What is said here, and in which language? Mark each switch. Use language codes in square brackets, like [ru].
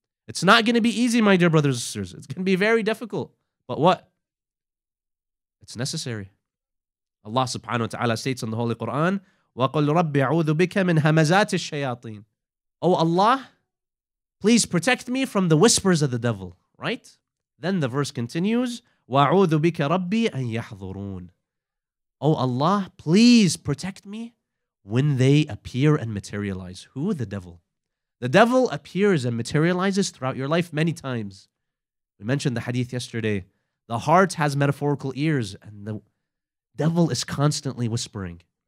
[en] It's not going to be easy, my dear brothers and sisters. It's going to be very difficult. But what? It's necessary. Allah subhanahu wa ta'ala states in the Holy Quran, [ar] وَقُلْ رَبِّ أَعُوذُ بِكَ مِنْ هَمَزَاتِ الشَّيَاطِينَ. [en] Oh Allah, please protect me from the whispers of the devil. Right? Then the verse continues, [ar] وَأَعُوذُ بِكَ رَبِّي أَنْ يَحْضُرُونَ. [en] Oh Allah, please protect me when they appear and materialize. Who? The devil. The devil appears and materializes throughout your life many times. We mentioned the hadith yesterday. The heart has metaphorical ears and the devil is constantly whispering.